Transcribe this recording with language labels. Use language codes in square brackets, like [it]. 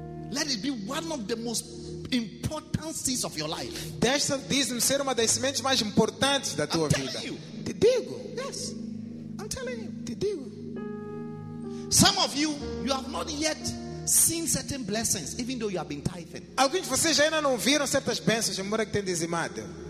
[en] Let it be one of the most important seeds of your life. [pt] Deixa dízimo ser uma das sementes mais importantes da tua vida. [en] I'm telling you. [pt] Te digo. [en] Yes. I'm telling you. [pt] Te digo. [en] Some of you, you have not yet seen certain blessings, even though you have been tithing. [pt] Alguns de vocês ainda não viram certas bênçãos, embora que tenham dizimado.